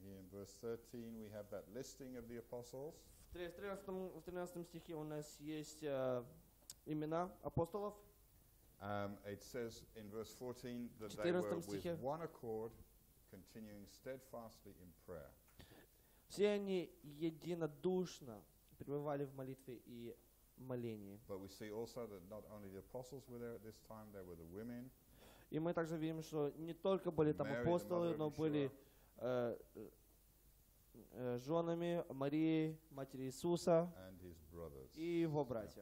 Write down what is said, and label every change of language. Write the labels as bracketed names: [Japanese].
[English] Verse 13, we have that listing of the apostles. [Russian] В 13 стихе у нас есть имена апостолов. [English] It says in verse 14 that they were with one accord, continuing steadfastly in prayer. [Russian] Все они единодушно пребывали в молитве и молении. [English] But we see also that not only the apostles were there at this time, there were the women. [Russian] И мы также видим, что не только были там апостолы, но были женами Марии, матери Иисуса и его братья.